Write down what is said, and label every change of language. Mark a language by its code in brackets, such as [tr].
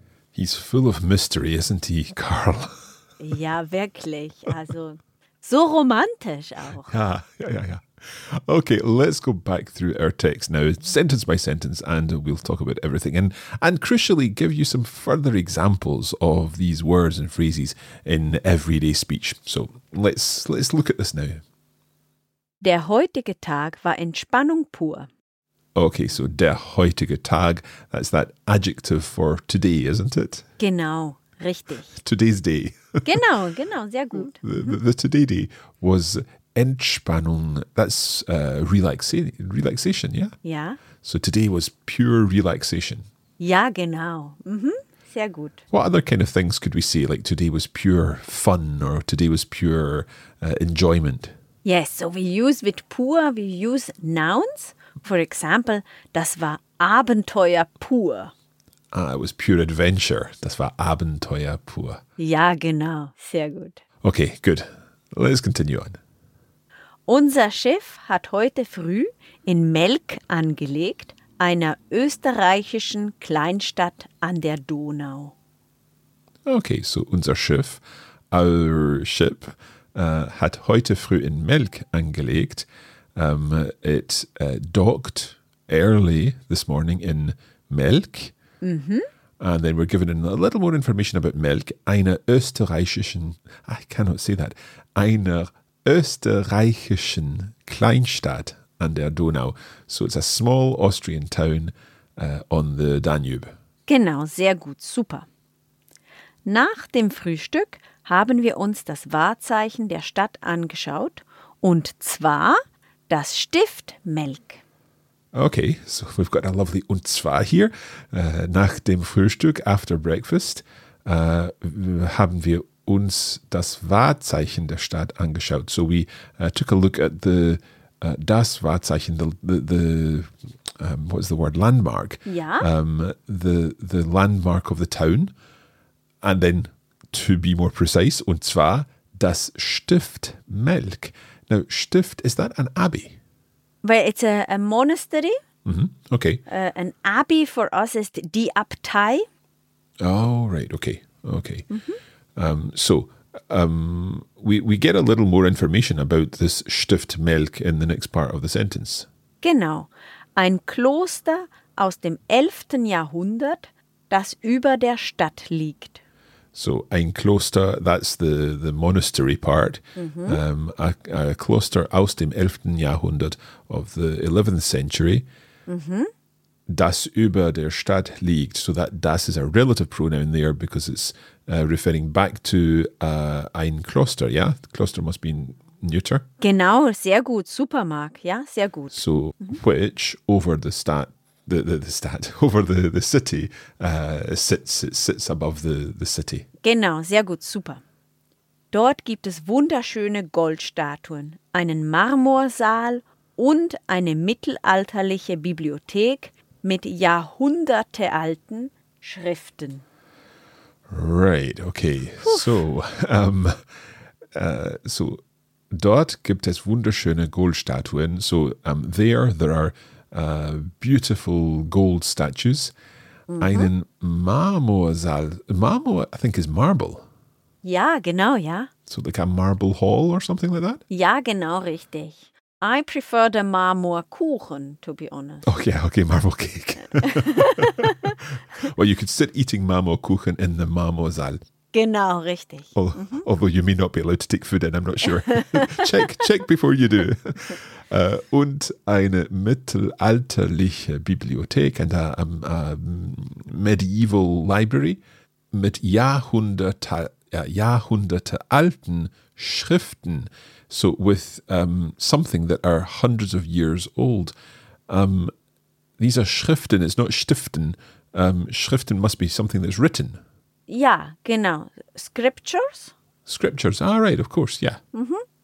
[en] He's full of mystery, isn't he, Karl? [de] Ja, wirklich. Also, so romantisch auch. Ja, ja, ja. [en] Okay, let's go back through our text now, sentence by sentence, and we'll talk about everything. And crucially, give you some further examples of these words and phrases in everyday speech. So, let's look at this now. [de] Der heutige Tag war Entspannung pur. [en] Okay, so [de] der heutige Tag, [en] that's that adjective for today, isn't it? [de] Genau, richtig. [en] Today's day. [de] Genau, genau, sehr gut. [en] The today day was Entspannung, that's relaxation, yeah? [de] Ja. [en] So today was pure relaxation. [de] Ja, genau. Mhm, sehr gut. [en] What other kind of things could we say, like today was pure fun or today was pure enjoyment? Yes, so we use nouns. For example, [de] das war Abenteuer pur. [en] Ah, it was pure adventure. [de] Das war Abenteuer pur. Ja, genau. Sehr gut. [en] Okay, good. Let's continue on. [de] Unser Schiff hat heute früh in Melk angelegt, einer österreichischen Kleinstadt an der Donau. [en] Okay, so [de] unser Schiff, [en] our ship, [de] hat heute früh in Melk angelegt. [en] It docked early this morning in Melk. Mm-hmm. And then we're given a little more information about Melk. [de] Einer österreichischen, [en] I cannot say that, [de] einer österreichischen Kleinstadt an der Donau. [en] So it's a small Austrian town on the Danube. [de] Genau, sehr gut, super. Nach dem Frühstück haben wir uns das Wahrzeichen der Stadt angeschaut, und zwar das Stift Melk. [en] Okay, so we've got a lovely [de] und zwar [en] here. [de] Nach dem Frühstück, [en] after breakfast, [de] haben wir uns das Wahrzeichen der Stadt angeschaut. [en] So we took a look at the [de] das Wahrzeichen, [en] what is the word, landmark? [de] Ja. [en] The landmark of the town. And then, to be more precise, [de] und zwar das Stift Melk. [en] Now, Stift, is that an abbey? Well, it's a monastery. Mm-hmm. Okay. An abbey for us is die Abtei. Oh, right. Okay. Okay. Mm-hmm. We get a little more information about this Stift Melk in the next part of the sentence. [de] Genau. Ein Kloster aus dem 11. Jahrhundert, das über der Stadt liegt. [en] So, [de] ein Kloster, [en] that's the monastery part. Mm-hmm. A [de] Kloster aus dem 11. Jahrhundert [en] of the 11th century, mm-hmm. [de] das über der Stadt liegt. [en] So that das is a relative pronoun there because it's referring back to ein Kloster, yeah? The Kloster must be neuter. [de] Genau, sehr gut, super, Mark, ja, yeah, sehr gut. [en] So, mm-hmm. which over the stadt. The city sits above the city. [de] Genau, sehr gut, super. Dort gibt es wunderschöne Goldstatuen, einen Marmorsaal und eine mittelalterliche Bibliothek mit jahrhundertealten Schriften. [en] Right, okay. Puff. [de] So, so dort gibt es wunderschöne Goldstatuen. [en] So, there are beautiful gold statues. Mm-hmm. [de] Einen Marmorsaal. [en] Marmor, I think, is marble. [de] Ja, genau, ja. [en] So like a marble hall or something like that? [de] Ja, genau, richtig. [en] I prefer the Marmorkuchen, to be honest. Okay, Marmorcake. Well, you could sit eating Marmorkuchen in the Marmorsaal. [de] Genau, richtig. Oh, mm-hmm. [en] Although you may not be allowed to take food in, I'm not sure. check before you do. [de] Und eine mittelalterliche Bibliothek, [en] and a medieval library [de] mit Jahrhunderte alten Schriften. [en] So with something that are hundreds of years old. These are Schriften, it's not Stiften. Schriften must be something that's written. [de] Ja, genau. Scriptures? [en] Scriptures. Ah, right, of course, yeah. Mm-hmm.